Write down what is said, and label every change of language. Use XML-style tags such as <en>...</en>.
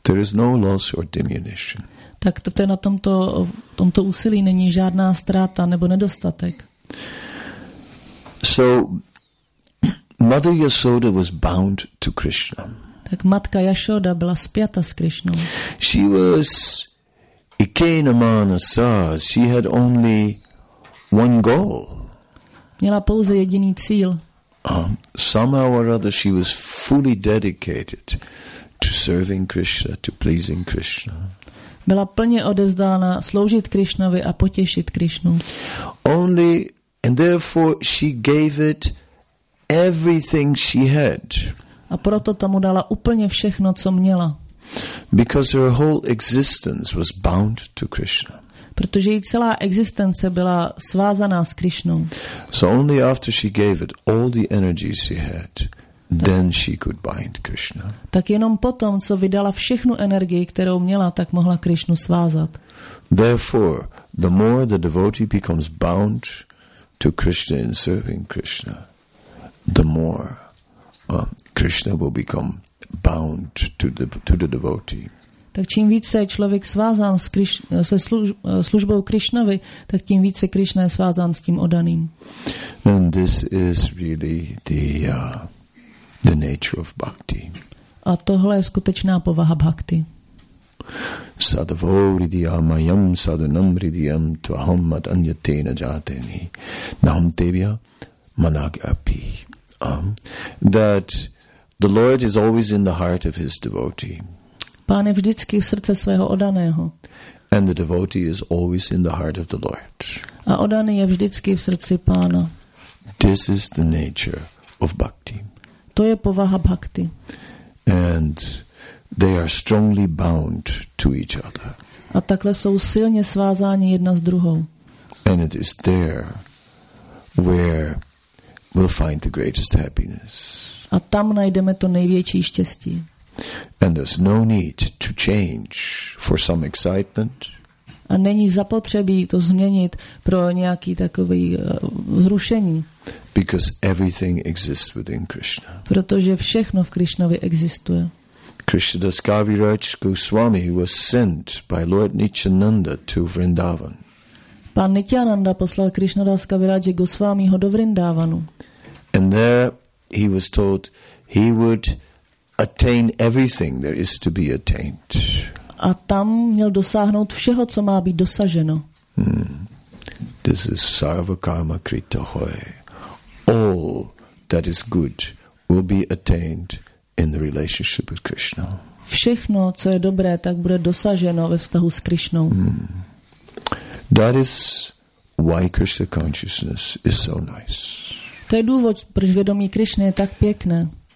<en>There is no loss or diminution.</en> <cs>Tak to na tomto úsilí není žádná ztráta nebo nedostatek.</cs> <en>So Mother Yashoda was bound to Krishna.</en> <cs>Tak matka Yashoda byla spjata s Krishnou.</cs> <en>She was</en> <sa>ekena manasa.</sa> <en>She had only one goal.</en> <cs>Měla pouze jediný cíl.</cs> <en>Somehow or other she was fully dedicated to serving Krishna, to pleasing Krishna.</en> <cs>Byla plně odevzdána sloužit Krišnovi a potěšit Krišnu.</cs> <en>Only and therefore she gave it everything she had.</en> <cs>A proto tomu dala úplně všechno, co měla.</cs> <en>Because her whole existence was bound to Krishna.</en> <cs>Protože její celá existence byla svázaná s Krišnou.</cs> <en>So only after she gave it all the energies she had. Then she could bind Krishna.</en> <cs>Tak jenom potom, co vydala všechnu energii, kterou měla, tak mohla Krišnu svázat.</cs> <en>Therefore, the more the devotee becomes bound to Krishna in serving Krishna, the more Krishna will become bound to the devotee.</en> <cs>Tak čím více je člověk svázán se službou Krišnovi, tak tím více Krišna je svázán s tím oddaným.</cs> <en>And this is really the nature of bhakti.</en> <cs>A tohle je skutečná povaha bhakti.</cs> <sa>Sadvo ridiyamayam sadanam ridiyam tvaham madanyatena jateni naham tevya managyapi.</sa> <en>That the Lord is always in the heart of his devotee.</en> <cs>Pán je vždycky v srdce svého oddaného.</cs> <en>And the devotee is always in the heart of the Lord.</en> <cs>A oddaný je vždycky v srdci pána.</cs> <en>This is the nature of bhakti.</en> <cs>To je povaha bhakti.</cs> <en>And they are strongly bound to each other.</en> <cs>A takhle jsou silně svázáni jedna s druhou.</cs> <en>And it is there where we'll find the greatest happiness.</en> <cs>A tam najdeme to největší štěstí.</cs> <en>And there's no need to change for some excitement.</en> <cs>A není zapotřebí to změnit pro nějaký takový vzrušení.</cs> <en>Because everything exists within Krishna.</en> <cs>Protože všechno v Krišnovi existuje.</cs> <en>Krishnadas Kaviraj Goswami was sent by Lord Nityananda to Vrindavan.</en> <cs>Pán Nityananda poslal Krishnadas Kaviraj Goswamiho do Vrindavanu.</cs> <en>And there he was told he would attain everything there is to be attained.</en> <cs>A tam měl dosáhnout všeho, co má být dosaženo.</cs> <en>This is</en> <sa>sarva karma krita hoy.</sa> <en>All that is good will be attained in the relationship with Krishna.</en> <cs>Všechno, co je dobré, tak bude dosaženo ve vztahu s Krishnou. Hmm.</cs> <en>That is why Krishna consciousness is so nice.</en> <cs>To je důvod, proč vědomí Krishna je tak pěkné.</cs>